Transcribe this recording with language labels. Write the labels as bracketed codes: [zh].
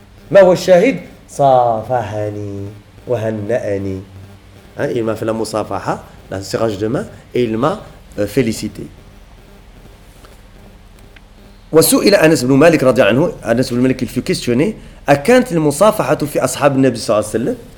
[ar] ما هو الشاهد؟ صافحني وهنأني. [fr] Il m'a fait la مصافحة la serrage de main et il m'a félicité. [ar] وسئل أنس بن مالك رضي الله عنه. أنس بن مالك [fr] في questionné [ar] أكانت المصافحة في أصحاب النبي صلى الله عليه وسلم.